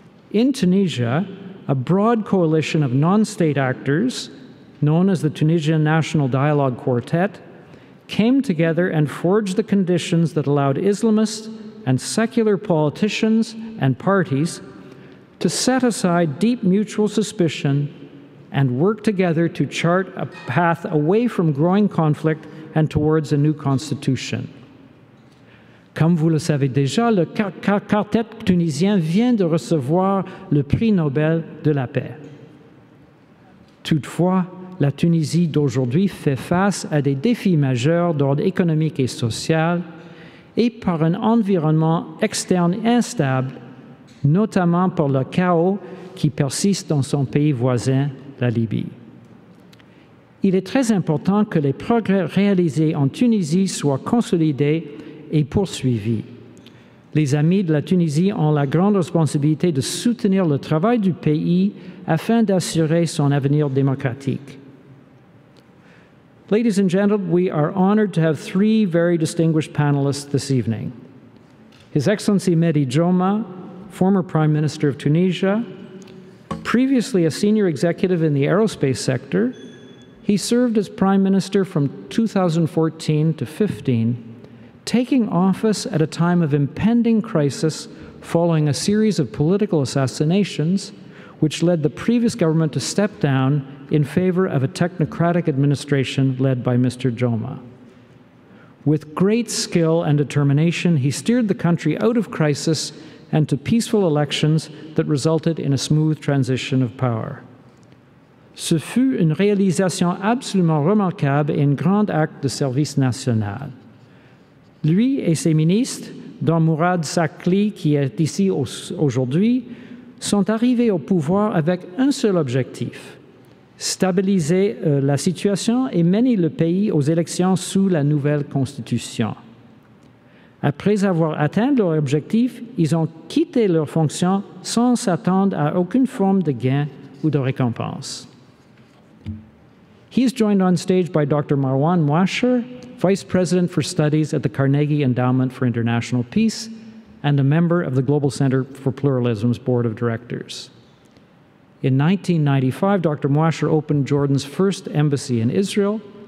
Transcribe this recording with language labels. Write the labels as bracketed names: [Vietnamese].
[English] In Tunisia, a broad coalition of non-state actors, known as the Tunisian National Dialogue Quartet, came together and forged the conditions that allowed Islamist and secular politicians and parties to set aside deep mutual suspicion and work together to chart a path away from growing conflict and towards a new constitution. [French] Comme vous le savez déjà, le quartet tunisien vient de recevoir le prix Nobel de la paix. Toutefois, la Tunisie d'aujourd'hui fait face à des défis majeurs d'ordre économique et social et par un environnement externe instable, notamment par le chaos qui persiste dans son pays voisin, la Libye. Il est très important que les progrès réalisés en Tunisie soient consolidés et poursuivis. Les amis de la Tunisie ont la grande responsabilité de soutenir le travail du pays afin d'assurer son avenir démocratique. [English] Ladies and gentlemen, we are honored to have three very distinguished panelists this evening. His Excellency Mehdi Joma, former Prime Minister of Tunisia, previously a senior executive in the aerospace sector, he served as Prime Minister from 2014 to 15, taking office at a time of impending crisis following a series of political assassinations which led the previous government to step down in favor of a technocratic administration led by Mr. Joma. With great skill and determination, he steered the country out of crisis and to peaceful elections that resulted in a smooth transition of power. [French] Ce fut une réalisation absolument remarquable et un grand acte de service national. Lui et ses ministres, dont Mourad Sakli, qui est ici aujourd'hui, sont arrivés au pouvoir avec un seul objectif, stabiliser la situation et mener le pays aux élections sous la nouvelle constitution. Après avoir atteint leur objectif, ils ont quitté leurs fonctions sans s'attendre à aucune forme de gain ou de récompense. [English] He is joined on stage by Dr. Marwan Mouacher, Vice President for Studies at the Carnegie Endowment for International Peace, and a member of the Global Center for Pluralism's Board of Directors. In 1995, Dr. Mouacher opened Jordan's first embassy in Israel